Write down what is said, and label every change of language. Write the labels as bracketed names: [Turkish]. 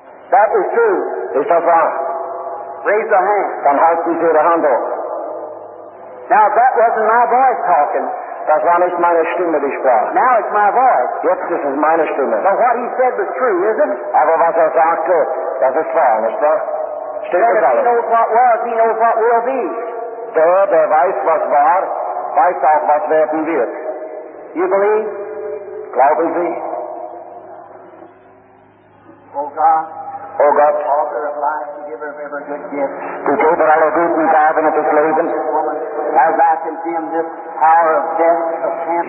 [English] That is true. [German] Ist das wahr? [English] Raise the hand. [German] Dann halten Sie Ihre Hand hoch. [English] Now, that wasn't my voice talking. [German] Das war nicht meine Stimme, die sprach. [English] Now it's my voice. [German] Jetzt ist es meine Stimme. [English] But what he said was true, isn't it? [German] Aber was sagte, das ist wahr, nicht wahr? Stimmt es alles. [English] He knows what was, he knows what will be. [German] Der weiß, was war, weiß auch, was werden wird. [English] You believe? [German] Glauben Sie? [English] Oh God. Oh God. Father of life, giver of every good gift. [German] Du Geber aller guten Gaben und des Lebens. [English] As I can see in this power of death, of cancer.